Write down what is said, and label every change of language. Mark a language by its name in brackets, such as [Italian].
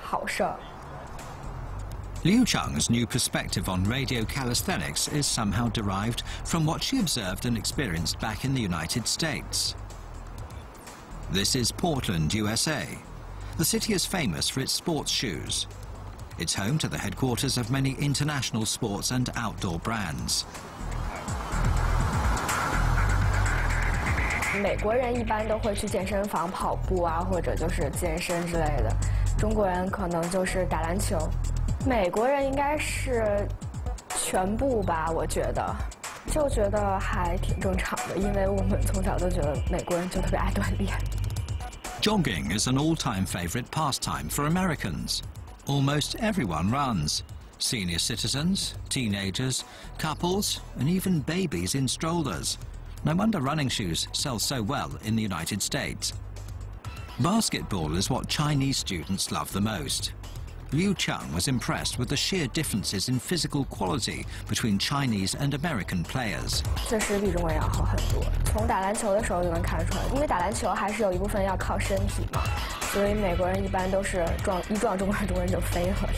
[Chinese] 广播体操它强制是有一定道理的，因为就是大家有的人就实在是不愿意做操，或者是就不愿意锻炼，他必须得让你每天就有一定时间去锻炼。所以我觉得这对中国人来说是，就是中国学生来说是好事。Liu [English] Cheng's new perspective on radio calisthenics is somehow derived from what she observed and experienced back in the United States. This is Portland, USA. The city is famous for its sports shoes. It's home to the headquarters of many international sports and outdoor brands. [Chinese] 美国人一般都会去健身房跑步啊，或者就是健身之类的。中国人可能就是打篮球。美国人应该是全部吧，我觉得。就觉得还挺正常的，因为我们从小都觉得美国人就特别爱锻炼。 [English] Jogging is an all-time favorite pastime for Americans. Almost everyone runs, senior citizens, teenagers, couples, and even babies in strollers. No wonder running shoes sell so well in the United States. Basketball is what Chinese students love the most. Liu Qiang was impressed with the sheer differences in physical quality between Chinese and American players. [Chinese] 确实比中国人要好很多，从打篮球的时候就能看出来，因为打篮球还是有一部分要靠身体嘛，所以美国人一般都是撞，一撞中国人，中国人就飞了。